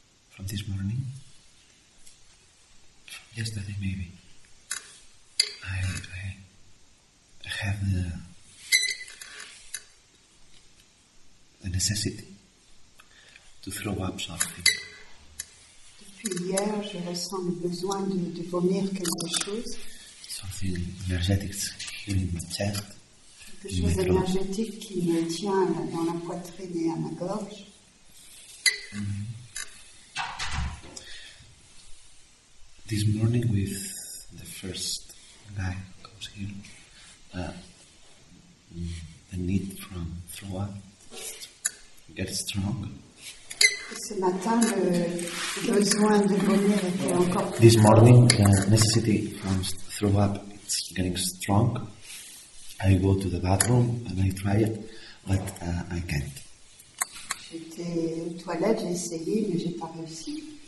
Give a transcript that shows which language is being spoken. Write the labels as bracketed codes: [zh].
[en] from this morning, from yesterday maybe, I have the necessity to throw up something. [fr] Depuis hier, je ressens le besoin de vomir quelque chose. [en] Something energetic here in my chest. [fr] Quelque chose énergétique qui me tient dans la poitrine et à ma gorge. [en] This morning with the first guy comes here, the need from throw up gets strong. [fr] Ce matin, le besoin de vomir est encore plus. [en] This morning, the necessity from throw up it's getting strong. I go to the bathroom and I try it, but I can't. [fr] J'étais aux toilettes, j'ai essayé, mais j'ai pas réussi.